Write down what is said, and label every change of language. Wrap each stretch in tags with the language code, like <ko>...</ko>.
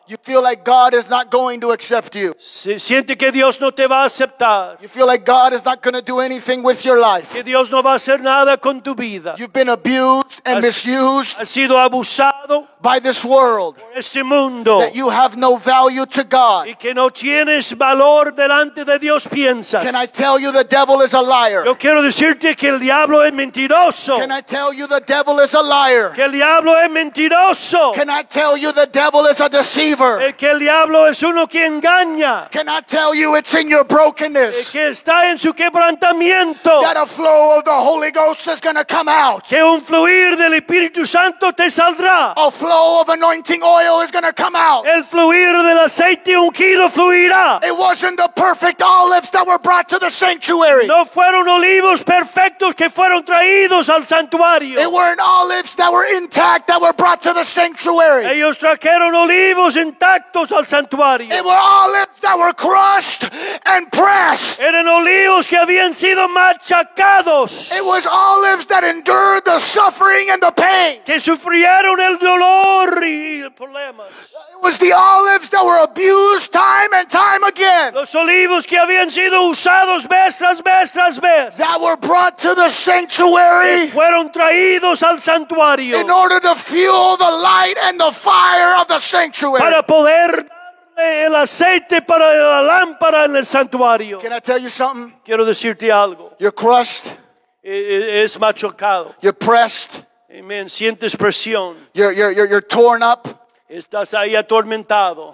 <en>You feel like God is not going to accept you.</en> <es>Siente que Dios no te va a aceptar.</es> <en>You feel like God is not going to do anything with your life.</en> <es>Que Dios no va a hacer nada con tu vida.</es> <en>You've been abused and misused.</en> <es>Has sido abusado.</es> <en>by this world.</en> <es>Este mundo,</es> <en>that you have no value to God.</en> <es>Y que no tienes valor delante de Dios, piensas.</es> <en>Can I tell you the devil is a liar?</en> <es>Yo quiero decirte que el diablo es mentiroso.</es> <en>Can I tell you the devil is a liar?</en> <es>Que el diablo es mentiroso.</es> <en>Can I tell you the devil is a deceiver?</en> <es>Que el diablo es uno que engaña.</es> <en>Can I tell you it's in your brokenness?</en> <es>Que está en su quebrantamiento.</es> <en>That a flow of the Holy Ghost is going to come out.</en> <es>Que un fluir del Espíritu Santo te saldrá.</es> <en>A flow of anointing oil is going to come out.</en> <es>El fluir del aceite ungido fluirá.</es> <en>It wasn't the perfect olives that were brought to the sanctuary.</en> <es>No fueron olivos perfectos que fueron traídos al santuario.</es> <en>It weren't olives that were intact that were brought to the sanctuary.</en> <es>Ellos trajeron olivos intactos al santuario.</es> <en>It were olives that were crushed and pressed.</en> <es>Eran olivos que habían sido machacados.</es> <en>It was olives that endured the suffering and the pain.</en> <es>Que sufrieron el dolor y problemas.</es> <en>It was the olives that were abused time and time again.</en> <es>Los olivos que habían sido usados vez tras vez tras vez.</es> <en>That were brought to the sanctuary.</en> <es>Fueron traídos al santuario.</es> <en>In order to fuel the light and the fire of the sanctuary.</en> <es>Para poder darle el aceite para la lámpara en el santuario.</es> <en>Can I tell you something?</en> <es>Quiero decirte algo.</es> <en>You're crushed.</en> <es>Es machucado.</es> <en>You're pressed.</en> <es>Amen. Sientes presión.</es> <en>You're torn up.</en> <es>Estás ahí atormentado.</es>